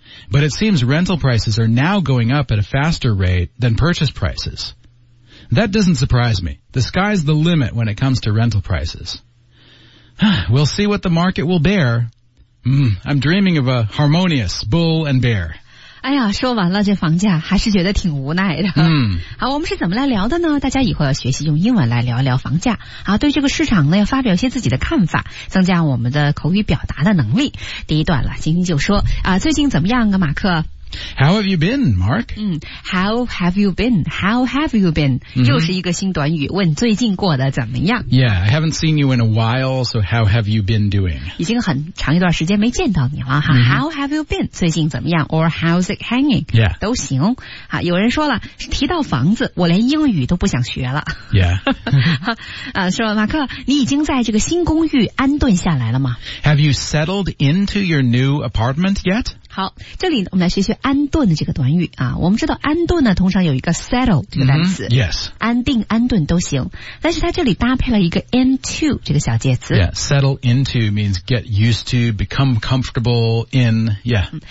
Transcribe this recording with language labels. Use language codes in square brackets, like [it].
[en] But it seems rental prices are now going up at a faster rate than purchase prices. That doesn't surprise me. The sky's the limit when it comes to rental prices. We'll see what the market will bear. I'm dreaming of a harmonious bull and bear. [zh] 哎呀，说完了这房价还是觉得挺无奈的。好，我们是怎么来聊的呢？大家以后要学习用英文来聊一聊房价啊，对这个市场呢要发表一些自己的看法，增加我们的口语表达的能力。第一段了，今天就说啊，最近怎么样啊，马克？ [en] How have you been, Mark? How have you been? How have you been? [zh] 又是一个新短语，问最近过得怎么样。 [en] Yeah, I haven't seen you in a while, so how have you been doing? [zh] 已经很长一段时间没见到你了。 [en] How have you been? [zh] 最近怎么样 [en] ?Or how's it hanging? Yeah. [zh] 都行。好，有人说了，提到房子，我连英语都不想学了。 [en] Yeah. [zh] 说马克，你已经在这个新公寓安顿下来了吗？ [en] Have you settled into your new apartment yet? [zh] 好，这里我们来学学安顿的这个短语啊。我们知道安顿呢，通常有一个 settle 这个单词、 [en] yes. [zh] 安定安顿都行，但是它这里搭配了一个 into 这个小介词。 [en] Yeah, settle into means get used to, become comfortable in, yeah.